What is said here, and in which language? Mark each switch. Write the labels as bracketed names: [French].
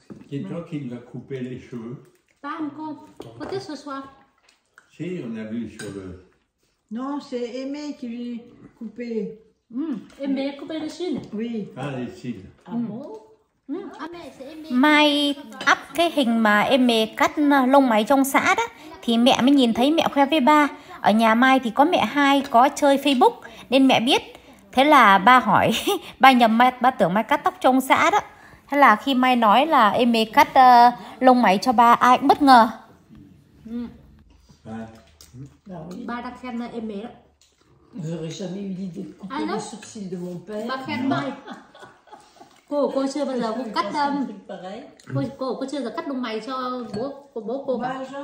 [French] C'est toi qui lui a coupé les cheveux. Pas encore. Peut-être ce soir. Si, on a vu sur le. Non, c'est Aimé qui lui a coupé. Aimé a coupé les cheveux. Oui. Ah, les cils. [Vietnamese] Mai up cái hình mà em mẹ cắt lông mày trong xã đó, thì mẹ mới nhìn thấy, mẹ khoe với ba. Ở nhà Mai thì có mẹ hai có chơi Facebook nên mẹ biết. Thế là ba hỏi, ba nhầm Mai, ba tưởng Mai cắt tóc trong xã đó. Thế là khi Mai nói là em mẹ cắt lông mày cho ba, ai cũng bất ngờ. Ba đang xem em mẹ đó. [French] J'aurais jamais eu l'idée de couper les sourcils de mon père. [Vietnamese] Ba khen Mai. Cô chưa bao giờ cũng cắt cô chưa giờ cắt lông mày cho bố cô cả.